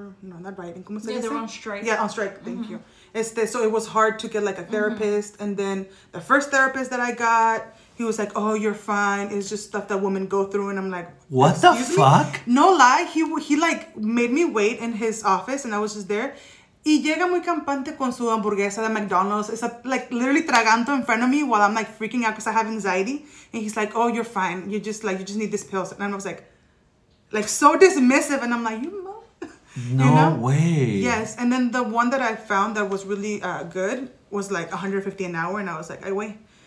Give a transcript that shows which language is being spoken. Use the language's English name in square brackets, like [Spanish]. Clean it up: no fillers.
[Spanish] ¿Cómo se dice? [English] They were on strike. Yeah, on strike. Thank mm-hmm. you. So it was hard to get like a therapist. Mm-hmm. And then the first therapist that I got, he was like, oh, you're fine. It's just stuff that women go through. And I'm like, what the fuck? Me? No lie. He like made me wait in his office and I was just there. [Spanish] Y llega muy campante con su hamburguesa de McDonald's. [English] It's like literally tragando in front of me while I'm like freaking out because I have anxiety. And he's like, oh, you're fine. You just like, you just need this pill. And I was like so dismissive. And I'm like, you know. No, you know? Way. Yes. And then the one that I found that was really good was like $150 an hour. And I was like, I wait.